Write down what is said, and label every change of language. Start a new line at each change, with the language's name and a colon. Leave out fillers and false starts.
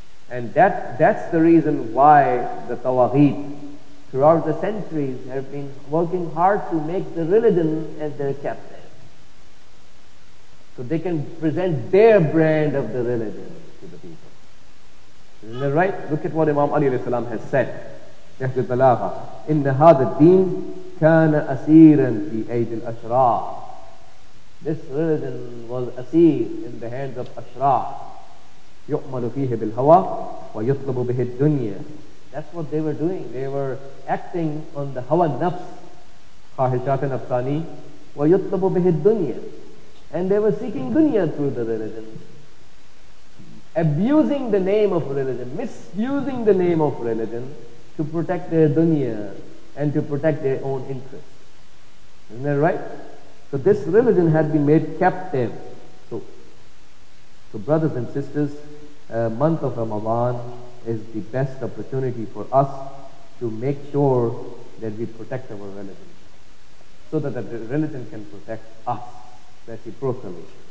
English: And that's the reason why the tawaghit throughout the centuries have been working hard to make the religion as their captain, so they can present their brand of the religion to the people. Isn't that right? Look at what Imam Ali alayhi salam has said. In the
Arabic: هذا الدين كان أسيرا في أيدي الأشرار.
English: This religion was أسير in the hands of أشرار.
Arabic: يؤمل فيه بالهوى ويطلب به الدنيا.
English: That's what they were doing. They were acting on the
Arabic: هوى النفس,
Persian: خاهشات نفساني,
Arabic: ويطلب به الدنيا.
English: And they were seeking dunya through the religion, abusing the name of religion, misusing the name of religion to protect their dunya and to protect their own interests. Isn't that right? So this religion had been made captive. So brothers and sisters, month of Ramadan is the best opportunity for us to make sure that we protect our religion, so that the religion can protect us reciprocally.